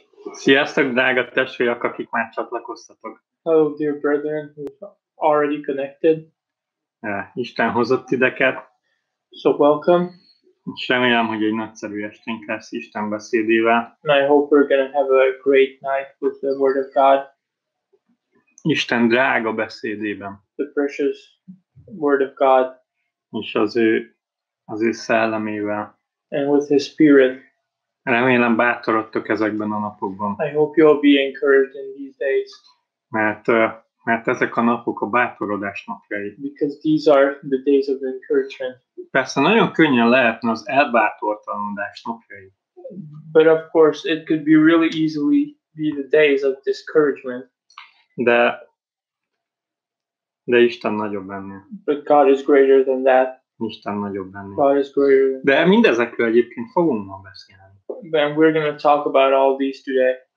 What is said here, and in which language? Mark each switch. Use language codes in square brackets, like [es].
[hu] Sziasztok, drága testvérek, akik már csatlakoztatok. [en] Hello, dear brethren, who've already connected. [hu] Yeah, Isten hozott ideket. [en] So, welcome. [hu] És remélem, hogy egy nagyszerű esténk lesz Isten beszédével. [en] And I hope we're going to have a great night with the Word of God. [hu] Isten drága beszédében. [en] The precious Word of God. [hu] És az ő szellemével. [en] And with His Spirit. [hu] Remélem bátorodtok ezekben a napokban. [en] I hope you'll be encouraged in these days. [hu] Mert ezek a napok a bátorodás napjai. [en] Because these are the days of encouragement. [hu] Persze nagyon könnyen lehetne az elbátortalanodás napjai. [en] But of course it could be really easily be the days of discouragement. [hu] De Isten nagyobb ennél. [en] But God is greater than that. [hu] Isten nagyobb ennél. [en] God is greater than [hu] that. De mindezekről egyébként fogunk ma beszélni. [en] Then we're going to talk about all these today.